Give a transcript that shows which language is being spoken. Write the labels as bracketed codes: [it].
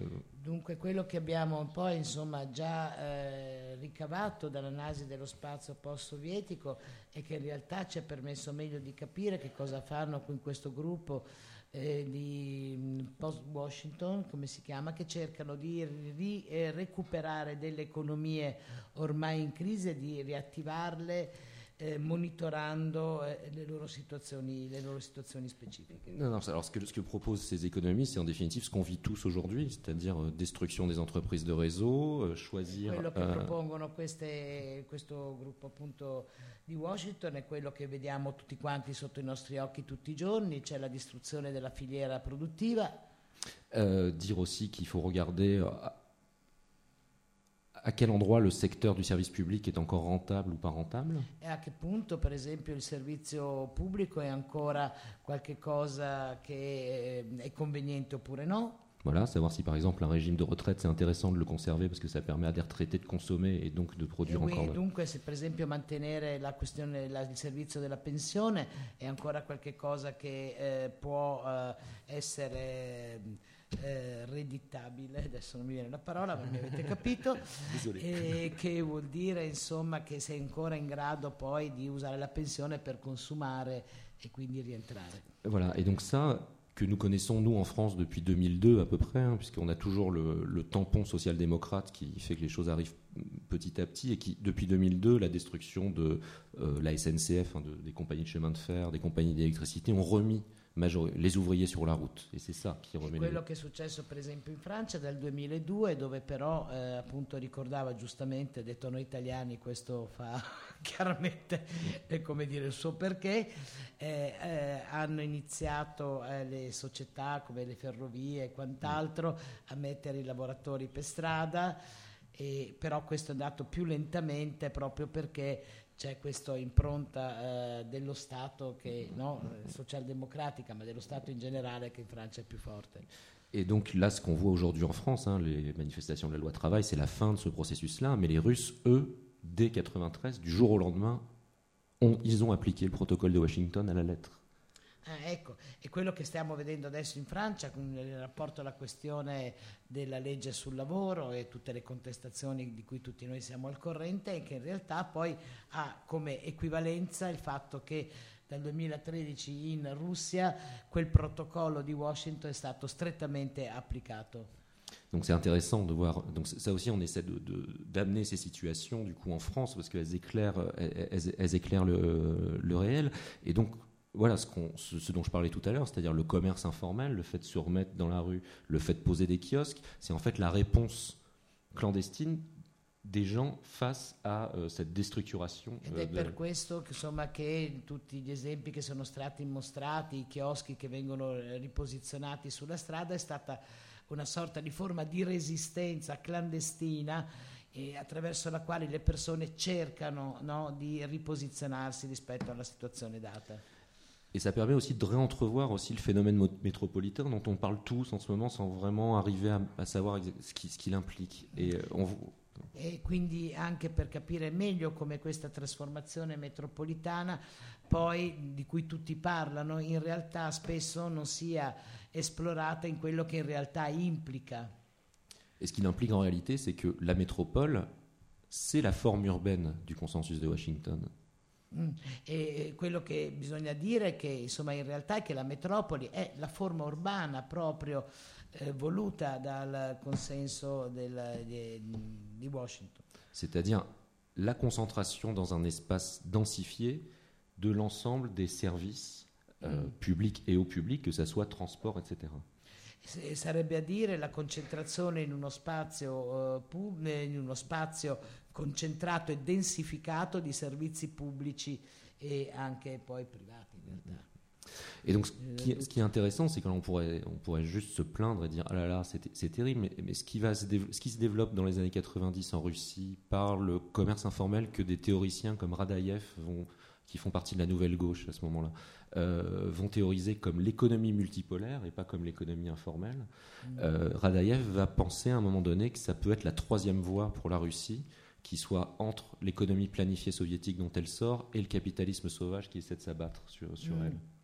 [it] Dunque quello che abbiamo un po', insomma, già ricavato dall'analisi dello spazio post-sovietico e che in realtà ci ha permesso meglio di capire che cosa fanno in questo gruppo di post-Washington, come si chiama, che cercano di recuperare delle economie ormai in crisi e di riattivarle monitorando le loro situazioni specifiche. [fr] Non, alors ce que proposent ces économistes, c'est en définitive ce qu'on vit tous aujourd'hui, c'est-à-dire destruction des entreprises de réseau, choisir. [it] Quello che propongono questo gruppo appunto di Washington è quello che vediamo tutti quanti sotto i nostri occhi tutti i giorni, c'è la distruzione della filiera produttiva. [fr] Dire aussi qu'il faut regarder à quel endroit le secteur du service public est encore rentable ou pas rentable? Et à quel point, par exemple, le servizio pubblico est encore quelque chose qui est conveniente ou non? Voilà, savoir si par exemple un régime de retraite, c'est intéressant de le conserver parce que ça permet à des retraités de consommer et donc de produire et encore. Oui, donc, si par exemple maintenir la question du [it] servizio della pensione [fr] est encore quelque chose qui peut être [it] redditabile, adesso non mi viene la parola, ma mi avete capito. Che vuol dire, insomma, che sei ancora in grado poi di usare la pensione per consumare e quindi rientrare. [fr] Voilà, et donc ça que nous connaissons nous en France depuis 2002 à peu près, hein, puisqu'on a toujours le tampon social-démocrate qui fait que les choses arrivent petit à petit, et qui depuis 2002, la destruction de la SNCF, hein, des compagnies de chemin de fer, des compagnies d'électricité, ont remis les ouvriers sur la route, et c'est ça qui remet. [it] Quello che è successo per esempio in Francia dal 2002, dove però appunto ricordava giustamente, detto noi italiani, questo fa chiaramente come dire il suo perché, hanno iniziato le società come le ferrovie e quant'altro a mettere i lavoratori per strada, e però questo è andato più lentamente proprio perché c'è questa impronta dello Stato, che no, socialdemocratica, ma dello Stato in generale, che in Francia è più forte. [fr] Et donc là, ce qu'on voit aujourd'hui en France, hein, les manifestations de la loi travail, c'est la fin de ce processus-là, mais les Russes, eux, dès 93, du jour au lendemain, ils ont appliqué le protocole de Washington à la lettre. [it] Ah, ecco, e quello che stiamo vedendo adesso in Francia con il rapporto alla questione della legge sul lavoro e tutte le contestazioni di cui tutti noi siamo al corrente, e che in realtà poi ha come equivalenza il fatto che dal 2013 in Russia quel protocollo di Washington è stato strettamente applicato. [fr] Donc c'est intéressant de voir, donc ça aussi on essaie d'amener ces situations du coup en France parce qu'elles éclairent le réel. Et donc voilà ce dont je parlais tout à l'heure, c'est-à-dire le commerce informel, le fait de se remettre dans la rue, le fait de poser des kiosques, c'est en fait la réponse clandestine des gens face à cette déstructuration. [it] Ed è per questo, insomma, che tutti gli esempi che sono stati mostrati, i chioschi che vengono riposizionati sulla strada, è stata una sorta di forma di resistenza clandestina attraverso la quale le persone cercano, no, di riposizionarsi rispetto alla situazione data. [fr] Et ça permet aussi de réentrevoir aussi le phénomène métropolitain dont on parle tous en ce moment sans vraiment arriver à savoir ce qu'il implique. [it] Et quindi anche per capire meglio come questa trasformazione metropolitana, poi di cui tutti parlano, in realtà spesso non sia esplorata in quello che in realtà implica. [fr] Et ce qu'il implique en réalité, c'est que la métropole, c'est la forme urbaine du consensus de Washington. [it] E quello che bisogna dire è che insomma in realtà è che la metropoli è la forma urbana proprio voluta dal consenso di Washington. [fr] C'est-à-dire la concentration dans un espace densifié de l'ensemble des services publics et au public, que ça soit transport, etc. [it] Sarebbe à dire la concentrazione in uno spazio in uno spazio concentrato e densificato di servizi pubblici e anche poi privati. [fr] Et donc ce qui est intéressant, c'est que on pourrait juste se plaindre et dire ah là là, c'est terrible, mais ce qui se développe dans les années 90 en Russie par le commerce informel que des théoriciens comme Radaïev, qui font partie de la nouvelle gauche à ce moment-là, vont théoriser comme l'économie multipolaire et pas comme l'économie informelle, Radaïev va penser à un moment donné que ça peut être la troisième voie pour la Russie, qui soit entre l'économie planifiée soviétique dont elle sort et le capitalisme sauvage qui essaie de s'abattre sur elle.